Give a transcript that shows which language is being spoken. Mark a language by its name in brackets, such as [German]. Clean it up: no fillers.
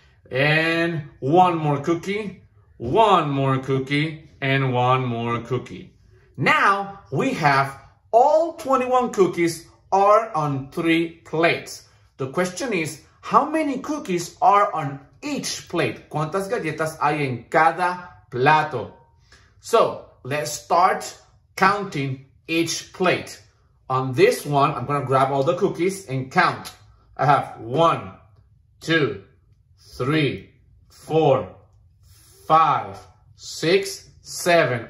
[English] And 1 more cookie, 1 more cookie, and 1 more cookie. Now we have all 21 cookies are on 3 plates. The question is, how many cookies are on each plate? [Spanish] ¿Cuántas galletas hay en cada plato? [English] So let's start counting each plate. On this one, I'm gonna grab all the cookies and count. I have 1, 2, 3, 4, 5, 6, 7.